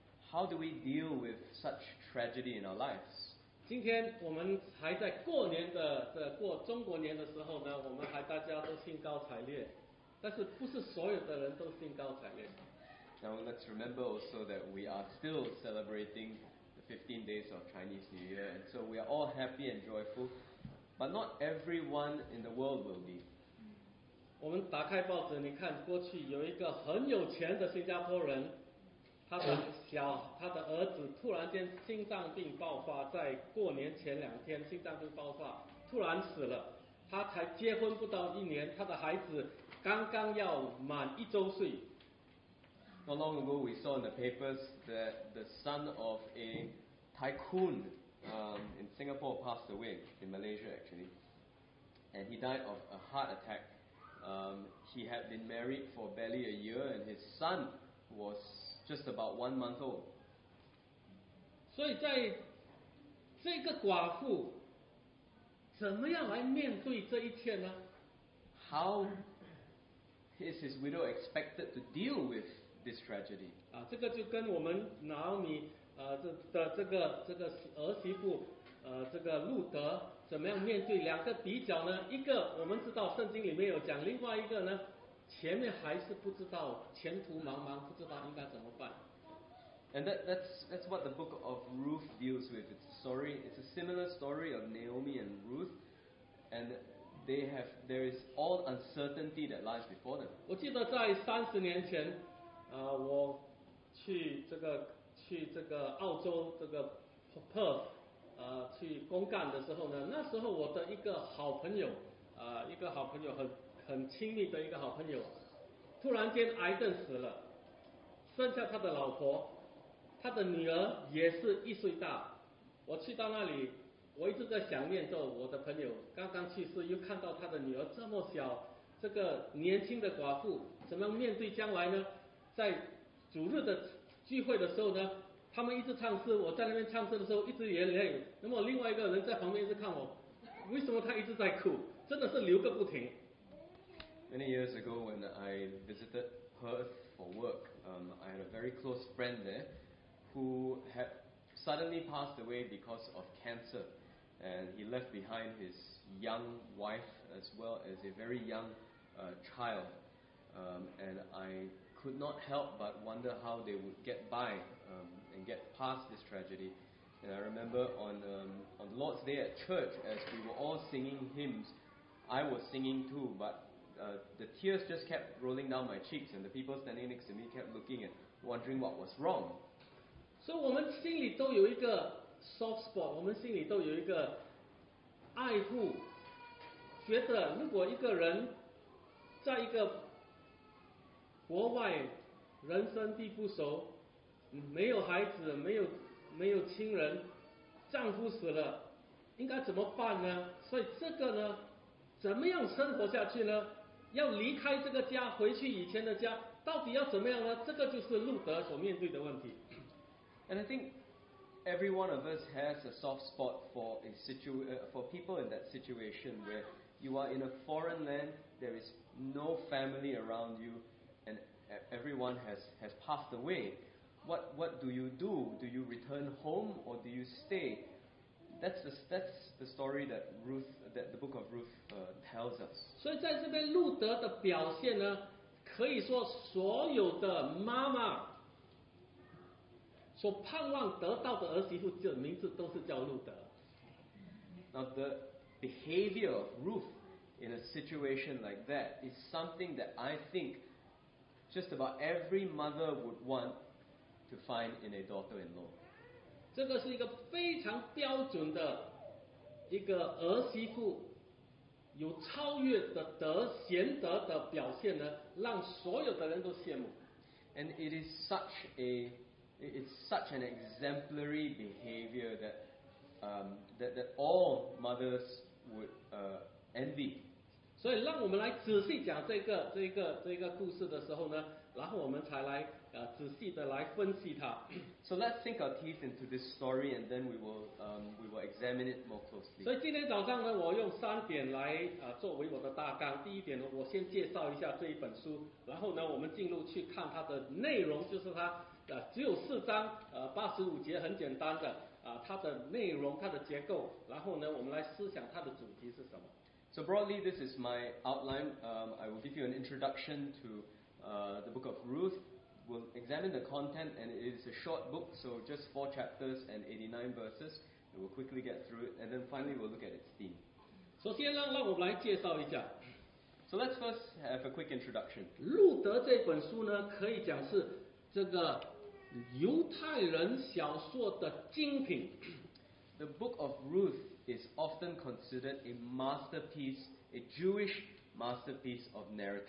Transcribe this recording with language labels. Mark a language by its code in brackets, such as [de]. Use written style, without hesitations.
[en] How do we deal with such tragedy in our lives? [zh] 今天我们还在过年的过中国年的时候呢，我们还大家都兴高采烈，但是不是所有的人都兴高采烈。 [en] Now let's remember also that we are still celebrating the 15 days of Chinese New Year, and so we are all happy and joyful, but not everyone in the world will be. [zh] 我们打开报纸，你看过去有一个很有钱的新加坡人，他的儿子突然间心脏病爆发，在过年前两天心脏病爆发，突然死了。他才结婚不到一年，他的孩子刚刚要满一周岁。 [en] Not long ago, we saw in the papers that the son of a tycoon in Singapore passed away, in Malaysia actually. And he died of a heart attack. He had been married for barely a year, and his son was just about 1 month old. [zh] 所以在这个寡妇怎么样来面对这一切呢？ [en] How is his widow expected to deal with this tragedy? [zh] 这个就跟我们拿奥米这个儿媳妇这个路德怎么样面对两个比较呢？一个我们知道圣经里面有讲，另外一个呢，前面还是不知道，前途茫茫，不知道应该怎么办。 [en] And that's what the book of Ruth deals with. It's a similar story of Naomi and Ruth, and there is all uncertainty that lies before them. [zh] 我记得在三十年前。我去这个澳洲这个 Perth 去公干的时候呢，那时候我的一个好朋友一个好朋友很亲密的一个好朋友，突然间癌症死了，剩下他的老婆，他的女儿也是一岁大。我去到那里，我一直在想念着我的朋友刚刚去世，又看到他的女儿这么小，这个年轻的寡妇怎么面对将来呢？在主日的聚会的时候呢，他们一直唱诗，我在那边唱诗的时候一直流泪，那么另外一个人在旁边一直看我，为什么他一直在哭，真的是流个不停。 [en] Many years ago when I visited Perth for work, I had a very close friend there who had suddenly passed away because of cancer, and he left behind his young wife as well as a very young child, and I could not help but wonder how they would get by and get past this tragedy. And I remember on the Lord's Day at church, as we were all singing hymns, I was singing too, but the tears just kept rolling down my cheeks, and the people standing next to me kept looking and wondering what was wrong. [zh] So 我们心里都有一个 [en] soft spot, [zh] 我们心里都有一个爱护，觉得如果一个人在一个国外人生地不熟，没有孩子，没有亲人，丈夫死了，应该怎么办呢？所以这个呢，怎么样生活下去呢？要离开这个家，回去以前的家，到底要怎么样呢？这个就是路德所面对的问题。 [en] And I think every one of us has a soft spot for for people in that situation where you are in a foreign land, there is no family around you, and everyone has passed away. What do you do? Do you return home or do you stay? That's the story that Ruth, that the book of Ruth tells us. [zh] 所以在这边路德的表现呢，可以说所有的妈妈所盼望得到的儿媳妇的名字都是叫路德。 [en] Now the behavior of Ruth in a situation like that is something that I think just about every mother would want to find in a daughter-in-law. [zh] 这个是一个非常标准的一个儿媳妇有超越的德贤德的表现呢，让所有的人都羡慕。 [en] And it is such a It's such an exemplary behavior that, that all mothers would envy. [zh] 所以让我们来仔细讲这个故事的时候呢，然后我们才来仔细的来分析它。 [en] So let's sink our teeth into this story, and then we will examine it more closely. [zh] 所以今天早上呢，我用三点来作为我的大纲。第一点呢，我先介绍一下这一本书，然后呢，我们进入去看它的内容，就是它。只有四章，八十五节，很简单的，它的内容，它的结构，然后呢，我们来思想它的主题是什么。 [en] So broadly, this is my outline. I will give you an introduction to the book of Ruth. We'll examine the content, and it is a short book, so just four chapters and 89 verses. And we'll quickly get through it, and then finally we'll look at its theme. [zh] 首先让我们来介绍一下。 [en] So let's first have a quick introduction. [zh] 路德这本书呢，可以讲是这个犹太人小说的精品。 [en] The book of Ruth is often considered a masterpiece, a Jewish masterpiece of narrative.